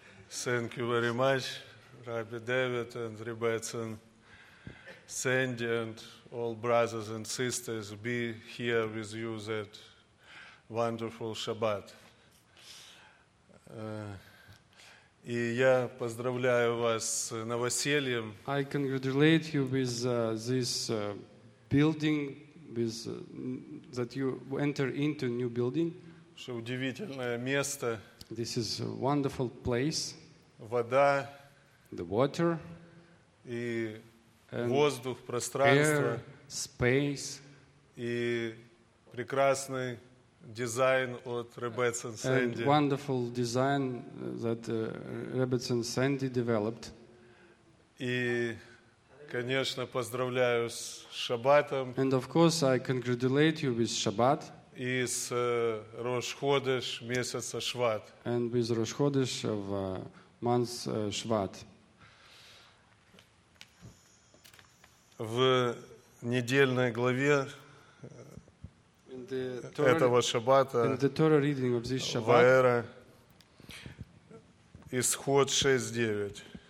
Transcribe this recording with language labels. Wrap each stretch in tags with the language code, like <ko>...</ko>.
<en>Thank you very much, Rabbi David and Rebetzin and Sandy and all brothers and sisters, be here with you that wonderful Shabbat.</en> <ru>И я поздравляю вас с новосельем.</ru> <en>I congratulate you with this building, with that you enter into new building.</en> <ru>Что удивительное место.</ru> <en>This is a wonderful place.</en> <ru>Вода.</ru> <en>The water.</en> <ru>И воздух, пространство.</ru> <en>Air, space.</en> <ru>И прекрасный дизайн от Rebetzin Sandy.</ru> <en>And wonderful design that Rebetzin Sandy developed.</en> <ru>И, конечно, поздравляю с Шабатом.</ru> <en>And of course, I congratulate you with Shabbat.</en> <ru>И с Рош Ходеш месяца Шват.</ru> <en>And with Rosh Chodesh of month Шват.</en> <ru>В недельной главе этого Шаббата, Ваэра, Исход 6:9.</ru>